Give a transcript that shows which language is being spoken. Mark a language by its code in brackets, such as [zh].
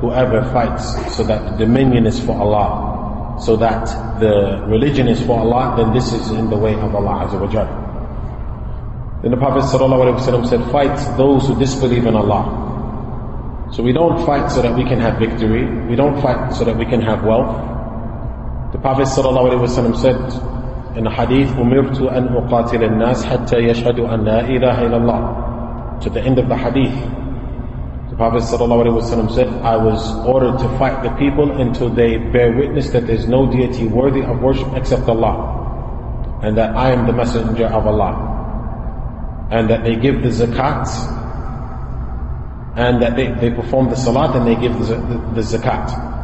[en] Whoever fights so that the dominion is for Allah, so that the religion is for Allah, then this is in the way of Allah Azza wa Jalla. Then the Prophet sallallahu alaihi wasallam said, fight those who disbelieve in Allah. So we don't fight so that we can have victory. We don't fight so that we can have wealth. The Prophet sallallahu alaihi wasallam said, in a hadith, [ar] أُمِرْتُ أَنْ أُقَاتِلَ النَّاسِ حَتَّى يَشْهَدُوا أَنْ لَا إِلَهَ إِلَى اللَّهِ. [en] To the end of the hadith, the Prophet sallallahu alaihi wasallam said, I was ordered to fight the people until they bear witness that there's no deity worthy of worship except Allah, and that I am the messenger of Allah, and that they give the zakat, and that they perform the salat and they give the zakat.